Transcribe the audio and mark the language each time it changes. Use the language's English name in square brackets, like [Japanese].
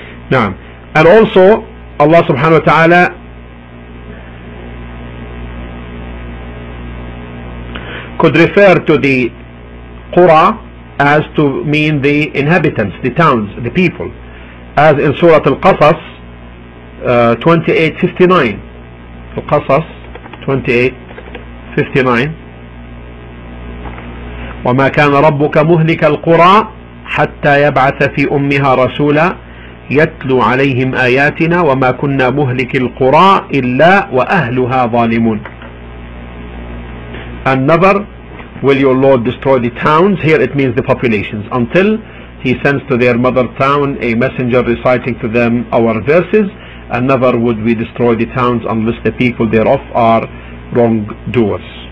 [English] Now, and also, Allah subhanahu wa ta'ala could refer to the Qura as to mean the inhabitants, the towns, the people. As in Surah Al-Qasas 28:59. [Arabic] القصص 28:59 وما كان ربك مهلك القرى حتى يبعث في أمها رسولا يتلو عليهم آياتنا وما كنا مهلك القرى إلا وأهلها ظالمون. [English] And never will your Lord destroy the towns, here it means the populations, until he sends to their mother town a messenger reciting to them our verses. And never would we destroy the towns unless the people thereof are wrongdoers.